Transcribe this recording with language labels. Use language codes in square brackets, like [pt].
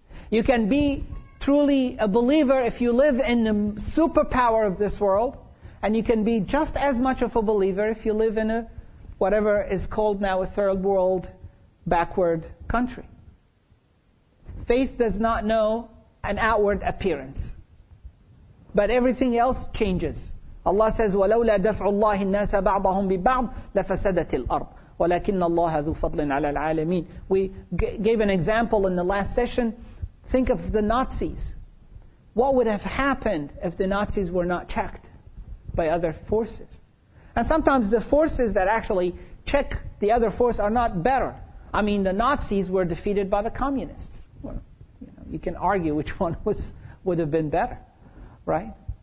[en] You can be truly a believer if you live in the superpower of this world, and you can be just as much of a believer if you live in a whatever is called now a third world backward country. Faith does not know an outward appearance. But everything else changes. Allah says, [ar] وَلَوْلَا دَفْعُ اللَّهِ النَّاسَ بَعْضَهُمْ بِبَعْضٍ لَفَسَدَتِ الْأَرْضِ وَلَكِنَّ اللَّهَ ذُو فَضْلٍ عَلَى الْعَالَمِينَ [en] We gave an example in the last session. Think of the Nazis. What would have happened if the Nazis were not checked by other forces? And sometimes the forces that actually check the other force are not better. I mean, the Nazis were defeated by the communists. Well, you know, you can argue which one would have been better, right?